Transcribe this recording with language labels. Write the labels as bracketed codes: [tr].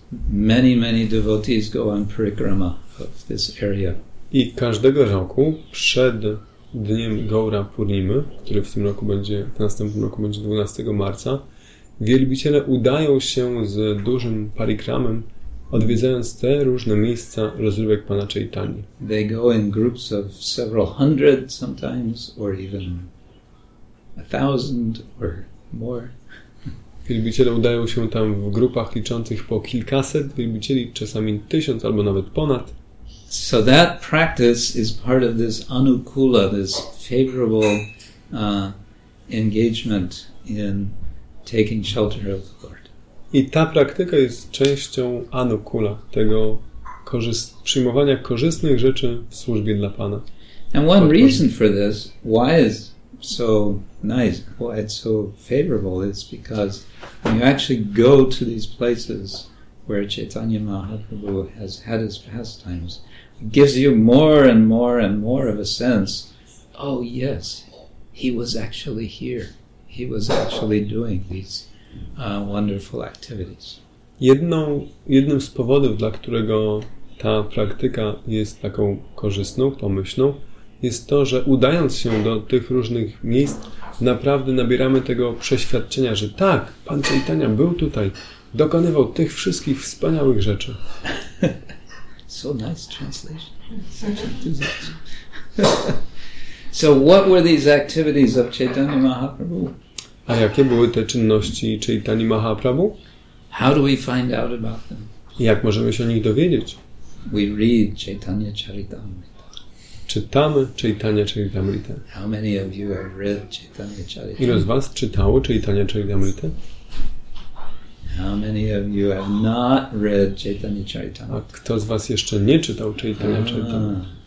[en] Many, many devotees go on parikrama of this area. [pl] I każdego roku, przed dniem Gaura Purnimy, który w tym roku będzie, w następnym roku będzie 12 marca, wielbiciele udają się z dużym parikramem, odwiedzając te różne miejsca rozrywek pana Chaitani. [en] They go in groups of several hundred sometimes, or even a thousand or more. [pl] Wielbiciele udają się tam w grupach liczących po kilkaset wielbicieli, czasami tysiąc albo nawet ponad. [en] So that practice is part of this anukula, this favorable engagement in taking shelter of the Lord. [pl] I ta praktyka jest częścią anukula, tego przyjmowania korzystnych rzeczy w służbie dla Pana. [en] And one reason for this, why is so nice, why it's so favorable, is because when you actually go to these places where Chaitanya Mahaprabhu has had his pastimes, it gives you more and more and more of a sense, oh yes, he was actually here. He was actually doing these wonderful activities. [pl] Jednym z powodów, dla którego ta praktyka jest taką korzystną, pomyślną, jest to, że udając się do tych różnych miejsc, naprawdę nabieramy tego przeświadczenia, że tak, pan Chaitanya był tutaj, dokonywał tych wszystkich wspaniałych rzeczy. [en] So nice translation. Such enthusiasm. So what were these activities of Chaitanya Mahaprabhu? [pl] A jakie były te czynności Chaitanya Mahaprabhu? [en] How do we find out about them? [pl] Jak możemy się o nich dowiedzieć? [en] We read Chaitanya Charitamrita. [pl] Czytamy Chaitanya Charitamrita. [en] How many of you have read Chaitanya Charitamrita? [pl] Ilu z was czytało Chaitanya Charitamrita? [en] How many of you have not read Chaitanya Charitamrita? [pl] A kto z was jeszcze nie czytał Chaitanya Charitamrita?